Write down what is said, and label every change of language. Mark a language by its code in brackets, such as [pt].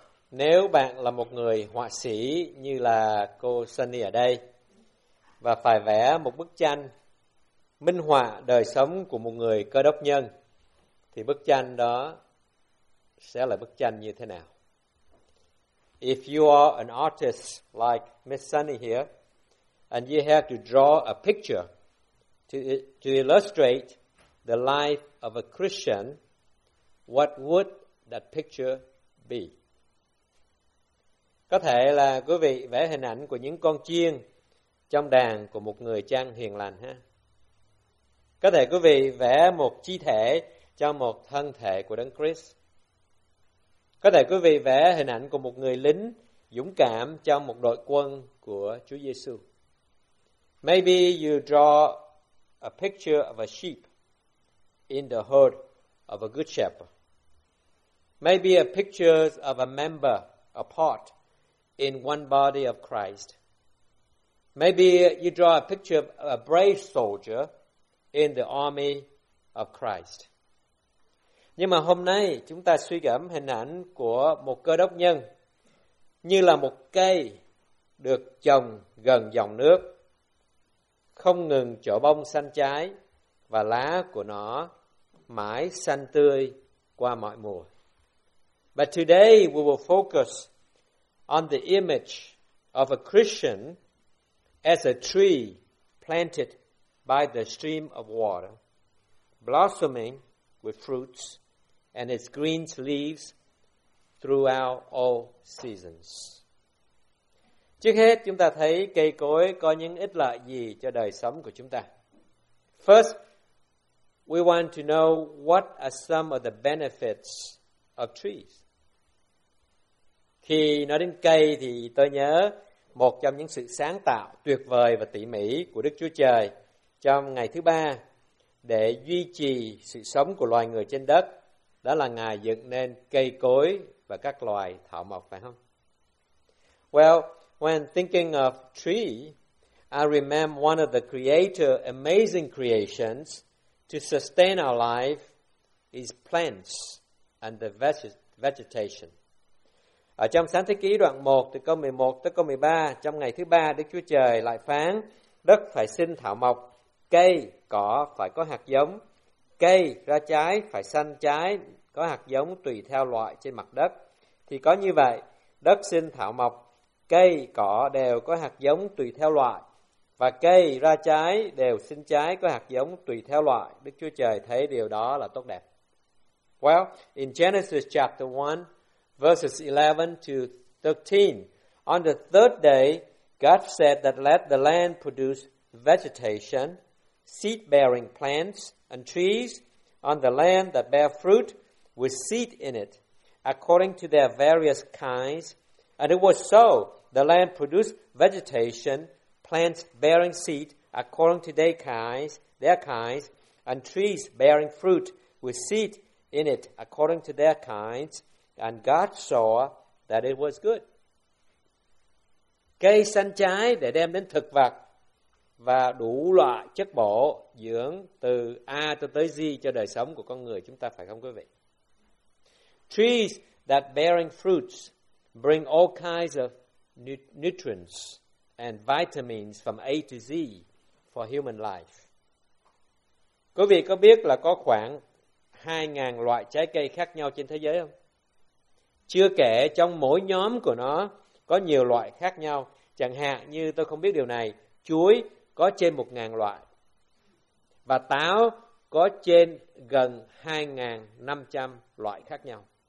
[vi] Nếu bạn là một người họa sĩ như là cô Sunny ở đây và phải vẽ một bức tranh minh họa đời sống của một người cơ đốc nhân, thì bức tranh đó sẽ là bức tranh như thế nào? [en] If you are an artist like Miss Sunny here and you have to draw a picture to illustrate the life of a Christian, what would that picture be? [vi] Có thể là quý vị vẽ hình ảnh của những con chiên trong đàn của một người cha hiền lành ha. Có thể quý vị vẽ một chi thể cho một thân thể của Đấng Christ. Có thể quý vị vẽ hình ảnh của một người lính dũng cảm trong một đội quân của Chúa Giêsu. [en] Maybe you draw a picture of a sheep in the herd of a good shepherd. Maybe a picture of a member, a part in one body of Christ. Maybe you draw a picture of a brave soldier in the army of Christ. [vi] Nhưng mà hôm nay chúng ta suy gẫm hình ảnh của một cơ đốc nhân như là một cây được trồng gần dòng nước, không ngừng trổ bông xanh trái và lá của nó mãi xanh tươi qua mọi mùa. [en] But today we will focus on the image of a Christian as a tree planted by the stream of water, blossoming with fruits and its green leaves throughout all seasons. [vi] Trước hết, chúng ta thấy cây cối có những ích lợi gì cho đời sống của chúng ta. [en] First, we want to know what are some of the benefits of trees. [vi] Khi nói đến cây thì tôi nhớ một trong những sự sáng tạo tuyệt vời và tỉ mỉ của Đức Chúa Trời trong ngày thứ ba để duy trì sự sống của loài người trên đất, đó là Ngài dựng nên cây cối và các loài thảo mộc, phải không? [en] Well, when thinking of tree, I remember one of the Creator's amazing creations to sustain our life is plants and the vegetation. [vi] Ở trong Sáng Thế Ký đoạn 1 từ câu 11 tới câu 13, trong ngày thứ ba Đức Chúa Trời lại phán: đất phải sinh thảo mộc, cây cỏ phải có hạt giống, cây ra trái phải xanh trái có hạt giống tùy theo loại trên mặt đất. Thì có như vậy, đất sinh thảo mộc, cây cỏ đều có hạt giống tùy theo loại, và cây ra trái đều sinh trái có hạt giống tùy theo loại. Đức Chúa Trời thấy điều đó là tốt đẹp. [en] Well, in Genesis chapter 1, verses 11 to 13, on the third day, God said that let the land produce vegetation, seed-bearing plants and trees on the land that bear fruit with seed in it, according to their various kinds. And it was so. The land produced vegetation, plants bearing seed according to their kinds, and trees bearing fruit with seed in it according to their kinds. And God saw that it was good. [vi] Cây xanh trái để đem đến thực vật và đủ loại chất bổ dưỡng từ A tới Z cho đời sống của con người chúng ta, phải không quý vị? [en] Trees that bearing fruits bring all kinds of nutrients and vitamins from A to Z for human life. [vi] Quý vị có biết là có khoảng 2,000 loại trái cây khác nhau trên thế giới không? Chưa kể trong mỗi nhóm của nó có nhiều loại khác nhau. Chẳng hạn như tôi không biết điều này, chuối có trên 1,000 loại và táo có trên gần 2,500 loại khác nhau.